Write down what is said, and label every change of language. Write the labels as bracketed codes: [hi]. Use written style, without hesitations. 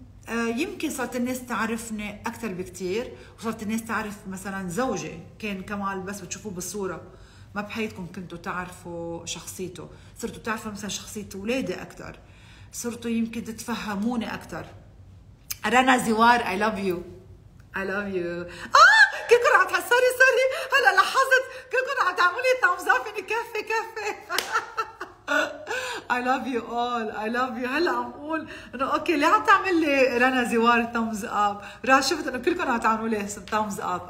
[ar] يمكن صارت الناس تعرفني أكثر بكتير، وصارت الناس تعرف مثلاً زوجي كان كمال بس بتشوفوه بالصورة، ما بحياتكم كنتوا تعرفوا شخصيته، صرتوا تعرفوا مثلاً شخصية ولادي أكثر، صرتوا يمكن تتفهموني أكثر. [en] رنا زوار I love you I love you. [ar] آه كلكم عم تحسري سري هلا لاحظت كلكم عم تعملي thumbs up إني كافي كافي. [en] I love you all I love you. [ar] هلا عم قول انه اوكي ليه عم تعمل لي رنا زوار thumbs up؟ راح شفت انه كلكم عم تعملوا لي thumbs up.